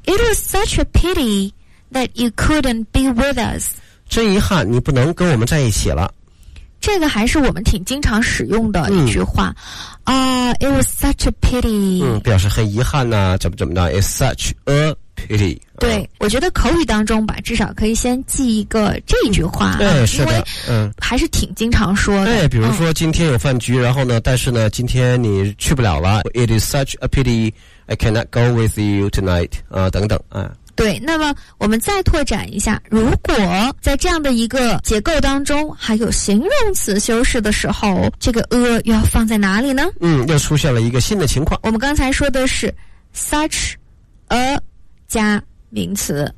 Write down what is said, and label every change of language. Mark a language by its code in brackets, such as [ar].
[en] It was such a pity that you couldn't be with us。 [zh] 真遗憾你不能跟我们在一起了。这个还是我们挺经常使用的一句话、嗯、 [en] It was such a pity、 [zh] 嗯、表示很遗憾呢、啊、怎么怎么的。 [en] It's such a pity。 [zh] 对、我觉得口语当中吧至少可以先记一个这一句话、嗯、对，是的，因为还是挺经常说的、嗯、对，比如说今天有饭局、嗯、然后呢但是呢今天你去不了了。 [en] It is such a pityI cannot go with you tonight、 [zh] 等等、对，那么我们再拓展一下，如果在这样的一个结构当中还有形容词修饰的时候，这个 a 又要放在哪里呢？嗯，又出现了一个新的情况。我们刚才说的是 such a 加名词，